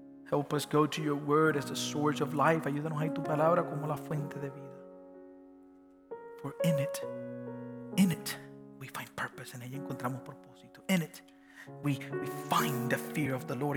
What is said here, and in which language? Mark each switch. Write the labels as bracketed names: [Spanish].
[English] Help us go to your word as the source of life. [Spanish] Ayúdanos a tu palabra como la fuente de vida. [English] For in it, we find purpose. [Spanish] En ella encontramos propósito. [English] In it, we find the fear of the Lord.